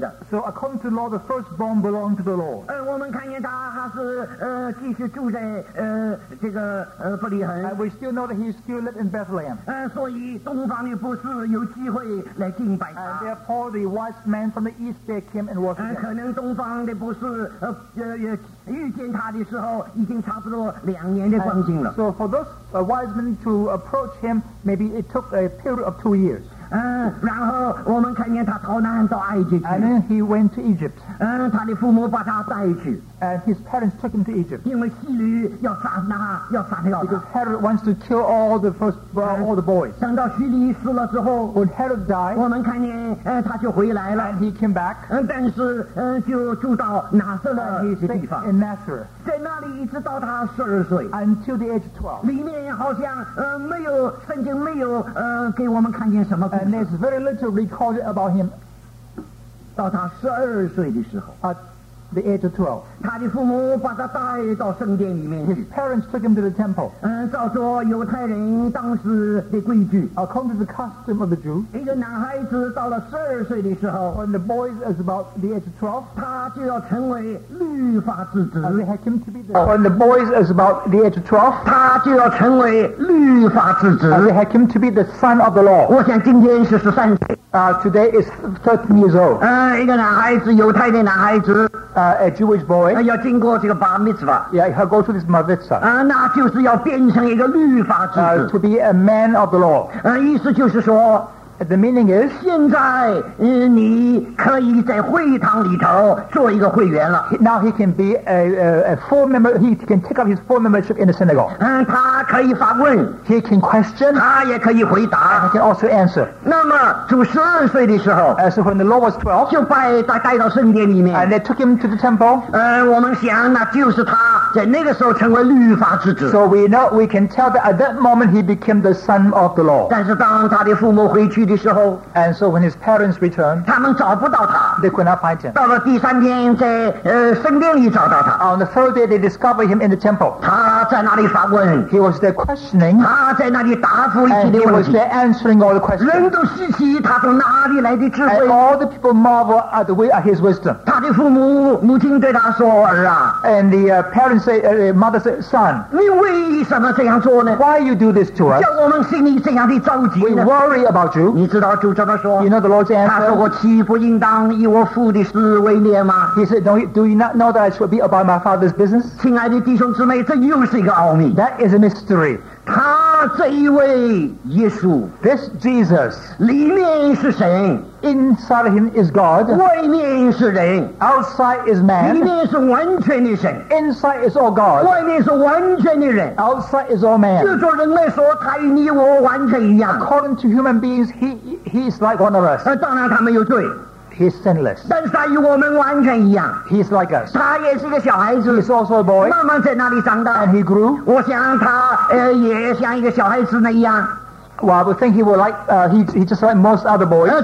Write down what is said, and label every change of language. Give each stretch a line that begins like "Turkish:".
English: So according to law, the firstborn belonged to the Lord. And we still know that he still lived in Bethlehem, and therefore the wise man from the east there came and worshipped him.
Chinese: 遇见他的时候已经差不多两年的光景了。
English: So for those wise men to approach him, maybe it took a period of 2 years.
Chinese: 然后我们看见他逃难到埃及去。
English: And then he went to Egypt.
Chinese: 他的父母把他带去。
English: And his parents took him to Egypt.
Chinese: 因为希律要杀他，要杀他。
English: Because Herod wants to kill all the first, all the boys.
Chinese: 等到希律死了之后,
English: when Herod died,
Chinese: 我们看见, 他就回来了。
English: And he came back.
Chinese: 但是, 就住到拿撒勒的地方。
English: And he stayed in Nazareth.
Chinese: 在那里一直到他12岁,
English: until the age of 12.
Chinese: 里面好像, 没有, 圣经没有, 给我们看见什么故事。
English: And there's very little recorded about him.
Chinese: 到他12岁的时候,
English: the age of 12.
Chinese: 他的父母把他带到圣殿里面,
English: his parents took him to the temple.
Chinese: 照着犹太人当时的规矩,
English: according to the custom of the Jews,
Chinese: 一个男孩子到了12岁的时候,
English: when the boy is about the age of 12,
Chinese: 他就要成为律法之子,
English: and they had him to be the, when the boy is about the age of 12,
Chinese: 他就要成为律法之子,
English: and they had him to be the son of the law.
Chinese: 我想今天是13岁,
English: today is 13 years old.
Chinese: 一个男孩子犹太的男孩子,
English: A Jewish boy,
Chinese: 要经过这个 bar mitzvah,
English: yeah, he'll go to this mitzvah,
Chinese: 那就是要变成一个律法之子,
English: to be a man of the law,
Chinese: 意思就是说,
English: the meaning is,
Chinese: 现在, 你可以在会堂里头做一个会员了,
English: now he can be a full member, he can take up his full membership in the synagogue,
Chinese: 他可以发问,
English: he can question,
Chinese: 他也可以回答,
English: and he can also answer.
Chinese: 那么主12岁的时候,
English: so when the Lord was 12,
Chinese: 就带到圣殿里面,
English: and they took him to the temple,
Chinese: 我们想那就是他在那个时候成为律法之子,
English: so we know, we can tell that at that moment he became the son of the law.
Chinese: 但是当他的父母回去,
English: and so when his parents returned,
Chinese: 他们找不到他,
English: they could not find him.
Chinese: 到了第三天在, 圣殿里找到他,
English: on the third day they discovered him in the temple.
Chinese: 他在那里发问,
English: he was there questioning,
Chinese: 他在那里答复一切的问题,
English: and he was there answering all the questions.
Chinese: 人都稀奇他从哪里来的智慧,
English: and all the people marvel at the way at his wisdom.
Chinese: 他的父母, 母亲对他说, 儿啊,
English: and the parents say, mother said, son,
Chinese: 你为什么这样做呢?
English: Why you do this to us?
Chinese: 叫我们心里这样的着急呢?
English: We worry about you.
Chinese: 你知道主这么说,
English: you know the Lord's answer?
Chinese: 他说我岂不应当以我父的事为念吗?
English: He said, do you not know that I should be about my father's business?
Chinese: 亲爱的弟兄姊妹, 这又是一个奥秘,
English: that is a mystery.
Chinese: 他这一位耶稣,
English: this Jesus,
Chinese: 里面是谁?
English: Inside him is God,
Chinese: 外面是人,
English: outside is man,
Chinese: 里面是完全的神,
English: inside is all God,
Chinese: 外面是完全的人,
English: outside is all man.
Chinese: 就说人类说他与你我完全一样,
English: according to human beings, he is like one of us.
Chinese: 当然他没有罪,
English: he's sinless.
Chinese: 但是他与我们完全一样,
English: he's like us.
Chinese: 他也是一个小孩子,
English: he's also a boy,
Chinese: 慢慢在那里长大,
English: and he grew.
Chinese: 我想他, 也像一个小孩子那样,
English: well, I would think he would like, he just like most other boys.